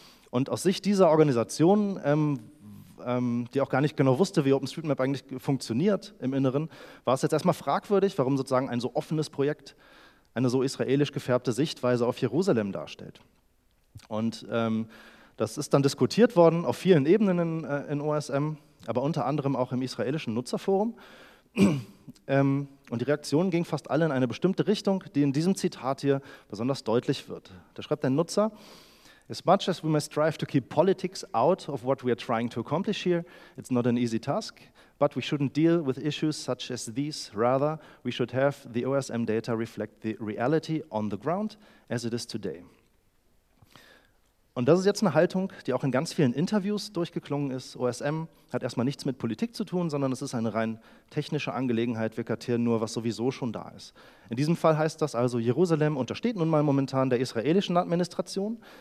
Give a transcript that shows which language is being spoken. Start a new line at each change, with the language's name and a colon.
German: Und aus Sicht dieser Organisation, die auch gar nicht genau wusste, wie OpenStreetMap eigentlich funktioniert im Inneren, war es jetzt erstmal fragwürdig, warum sozusagen ein so offenes Projekt eine so israelisch gefärbte Sichtweise auf Jerusalem darstellt. Und das ist dann diskutiert worden auf vielen Ebenen in OSM, aber unter anderem auch im israelischen Nutzerforum. Und die Reaktion ging fast alle in eine bestimmte Richtung, die in diesem Zitat hier besonders deutlich wird. Da schreibt ein Nutzer,
English: as much as we may strive to keep politics out of what we are trying to accomplish here, it's not an easy task, but we shouldn't deal with issues such as these, rather we should have the OSM data reflect the reality on the ground as it is today.
German: Und das ist jetzt eine Haltung, die auch in ganz vielen Interviews durchgeklungen ist. OSM hat erstmal nichts mit Politik zu tun, sondern es ist eine rein technische Angelegenheit. Wir kartieren nur, was sowieso schon da ist. In diesem Fall heißt das also, Jerusalem untersteht nun mal momentan der israelischen Administration.